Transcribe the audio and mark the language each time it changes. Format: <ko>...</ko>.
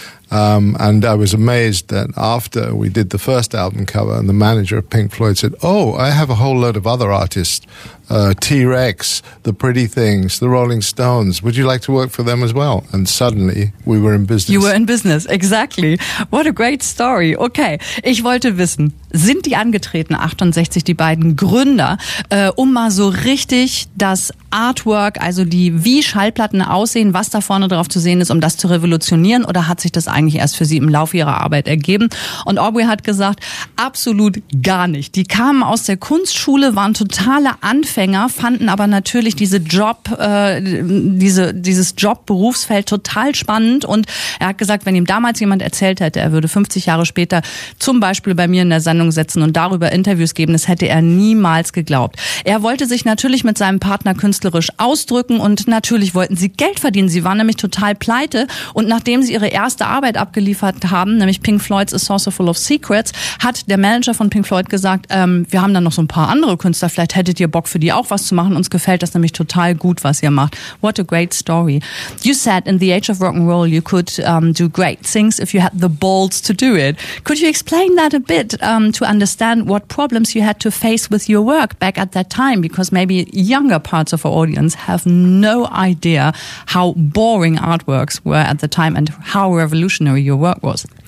<en>And I was amazed that after we did the first album cover, and the manager of Pink Floyd said, oh, I have a whole load of other artists, T-Rex, The Pretty Things, The Rolling Stones. Would you like to work for them as well? And suddenly we were in business. You were in business, exactly. What a great story.</en> <de>Okay, ich wollte wissen, sind die angetreten, 68, die beiden Gründer, um mal so richtig das Artwork, also die, wie Schallplatten aussehen, was da vorne drauf zu sehen ist, um das zu revolutionieren, oder hat sich das eigentlich erst für sie im Laufe ihrer Arbeit ergeben? Und Aubrey hat gesagt, absolut gar nicht. Die kamen aus der Kunstschule, waren totale Anfänger, fanden aber natürlich dieses Jobberufsfeld total spannend, und er hat gesagt, wenn ihm damals jemand erzählt hätte, er würde 50 Jahre später zum Beispiel bei mir in der Sendung sitzen und darüber Interviews geben, das hätte er niemals geglaubt. Er wollte sich natürlich mit seinem Partner künstlerisch ausdrücken, und natürlich wollten sie Geld verdienen. Sie waren nämlich total pleite, und nachdem sie ihre erste Arbeit abgeliefert haben, nämlich Pink Floyd's A Saucer Full of Secrets, hat der Manager von Pink Floyd gesagt, wir haben da noch so ein paar andere Künstler, vielleicht hättet ihr Bock für die auch was zu machen. Uns gefällt das nämlich total gut, was ihr macht.</de> <en>What a great story. You said in the age of rock and roll you could do great things if you had the balls to do it. Could you explain that a bit to understand what problems you had to face with your work back at that time? Because maybe younger parts of our audience have no idea how boring artworks were at the time and how revolutionary your work was.</en>